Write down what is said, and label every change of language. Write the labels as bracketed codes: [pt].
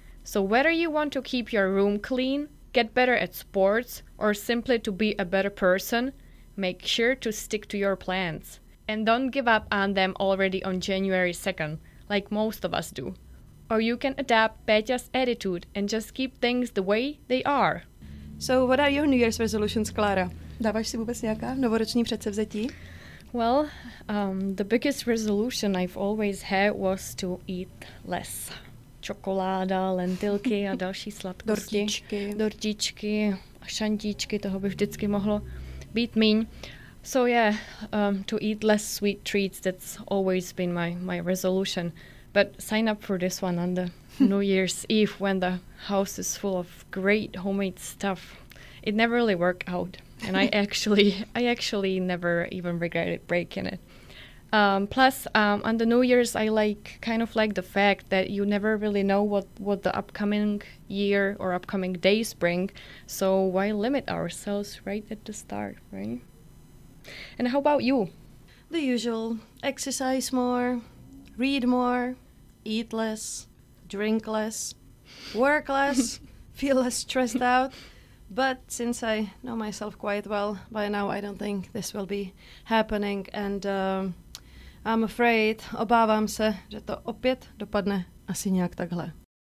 [en] So whether you want to keep your room clean, get better at sports, or simply to be a better person, make sure to stick to your plans. And don't give up on them already on January 2nd, like most of us do. Or you can adapt Peťa's attitude and just keep things the way they are. So what are your New Year's resolutions, Klára? [cs] Dáváš si vůbec nějaká novoroční předsevzetí? [en] Well, the biggest resolution I've always had was to eat less. [cs] Čokoláda, lentilky a další sladkosti. Dortičky, šantíčky, toho by vždycky mohlo být míň. [en] So yeah, to eat less sweet treats, that's always been my resolution. But sign up for this one on the New Year's Eve when the house is full of great homemade stuff. It never really worked out. And I actually never even regretted breaking it. Plus, on the New Year's, I kind of like the fact that you never really know what the upcoming year or upcoming days bring. So why limit ourselves right at the start, right? And how about you? The usual. Exercise more, read more, eat less, drink less, work less, feel less stressed out. But since I know myself quite well by now, I don't think this will be happening. And I'm afraid, [cs] obávám se, že to opět dopadne asi nějak takhle.